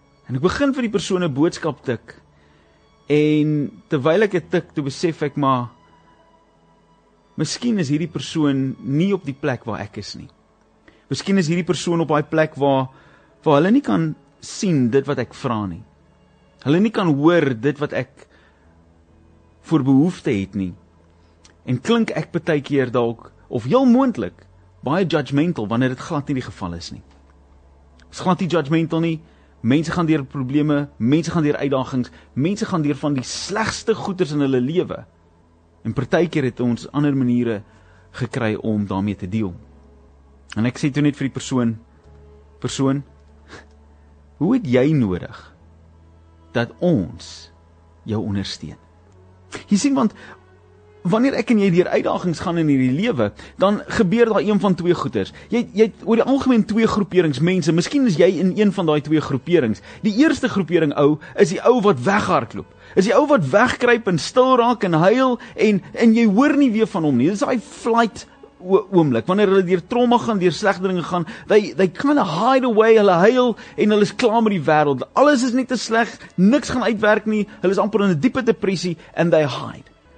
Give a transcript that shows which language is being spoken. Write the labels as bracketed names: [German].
[Afrikaans] En ek begin vir die persoon 'n boodskap tik, en terwyl ek dit tik, toe besef ek maar, miskien is hierdie persoon nie op die plek waar ek is nie. Miskien is hierdie persoon op die plek waar hulle nie kan sien dit wat ek vra nie. Hulle nie kan hoor dit wat ek voor behoefte het nie. En klink ek baie keer dalk, of heel moontlik, baie judgmental, wanneer dit glad nie die geval is nie. Is glad nie judgmental nie, mense gaan deur probleme, mense gaan deur uitdagings, mense gaan deur van die slegste goeders in hulle lewe. En baie keer het ons ander maniere gekry om daarmee te deel. En ek sê toe net vir die persoon, hoe het jy nodig dat ons jou ondersteun? Jy sien, want wanneer ek en jy deur uitdagings gaan in hierdie lewe, dan gebeur daar een van twee goeters. Jy het oor die algemeen twee groeperings mense. Miskien is jy in een van daai twee groeperings. Die eerste groepering ou is die ou wat weghardloop. Is die ou wat wegkruip en stil raak en huil en jy hoor nie weer van hom nie. Dis daai flight oomblik wanneer hulle deur tromme gaan, deur slegdringe gaan. [English] They kind of hide away, [Afrikaans] hulle huil en hulle is klaar met die wêreld. Alles is net te sleg, niks gaan uitwerk nie. Hulle is amper in 'n diepe depressie [English] and they hide.